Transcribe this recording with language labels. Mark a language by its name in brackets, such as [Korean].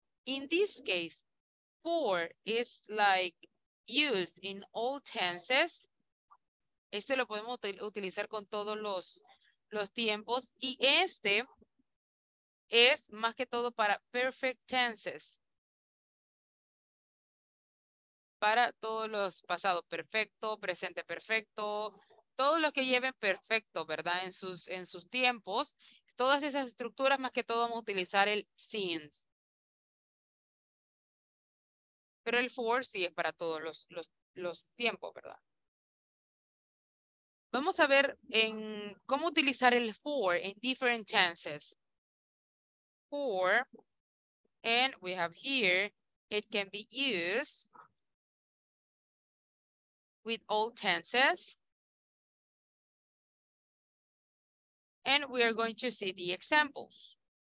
[English] In this case, for is like used in all tenses. [Spanish] Este lo podemos utilizar con todos los tiempos. Y este es más que todo para perfect tenses. Para todos los pasados. Perfecto, presente perfecto. Todos los que lleven perfecto, ¿verdad? En sus tiempos. Todas esas estructuras, más que todo, vamos a utilizar el since. Pero el for sí es para todos los tiempos, ¿verdad? Vamos a ver en cómo utilizar el for en [English] different tenses. For, and we have here, it can be used with all tenses. And we are going to see the examples.